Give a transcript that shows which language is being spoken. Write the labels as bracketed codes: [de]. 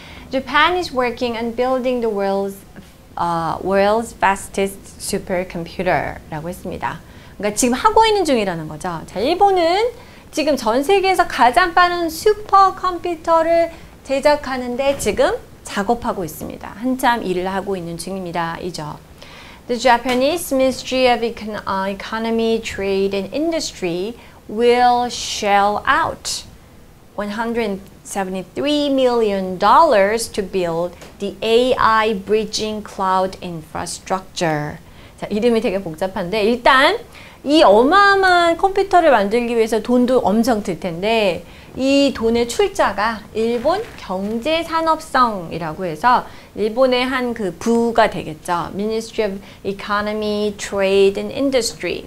[en] Japan is working on building the world's world's fastest supercomputer [ko] 라고 했습니다. 그러니까 지금 하고 있는 중이라는 거죠. 자, 일본은 지금 전 세계에서 가장 빠른 슈퍼컴퓨터를 제작하는데 지금 작업하고 있습니다. 한참 일을 하고 있는 중입니다. 이죠. [en] The Japanese Ministry of Economy, Trade and Industry will shell out $173 million to build the AI bridging cloud infrastructure. [ko] 자, 이름이 되게 복잡한데 일단 이 어마어마한 컴퓨터를 만들기 위해서 돈도 엄청 들 텐데 이 돈의 출자가 일본 경제산업성이라고 해서 일본의 한 그 부가 되겠죠. [en] Ministry of Economy, Trade and Industry.